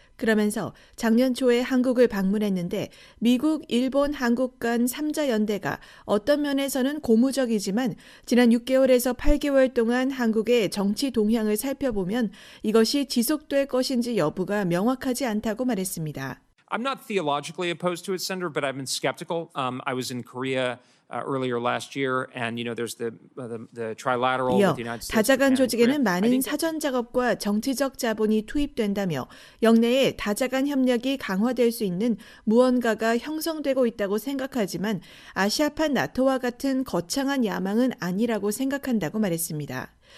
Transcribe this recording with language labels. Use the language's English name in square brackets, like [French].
[Korean] 그러면서 작년 초에 한국을 방문했는데 미국, 일본, 한국 간 3자 연대가 어떤 면에서는 고무적이지만 지난 6개월에서 8개월 동안 한국의 정치 동향을 살펴보면 이것이 지속될 것인지 여부가 명확하지 않다고 말했습니다. [English] I'm not theologically opposed to it, Senator, but I've been skeptical. I was in Korea earlier last year, and you know there's the trilateral. [Korean] 이어 다자간 조직에는 많은 사전 작업과 정치적 자본이 투입된다며 영내의 다자간 협력이 강화될 수 있는 무언가가 형성되고 있다고 생각하지만 아시아판 나토와 같은 거창한 야망은 아니라고 생각한다고 말했습니다.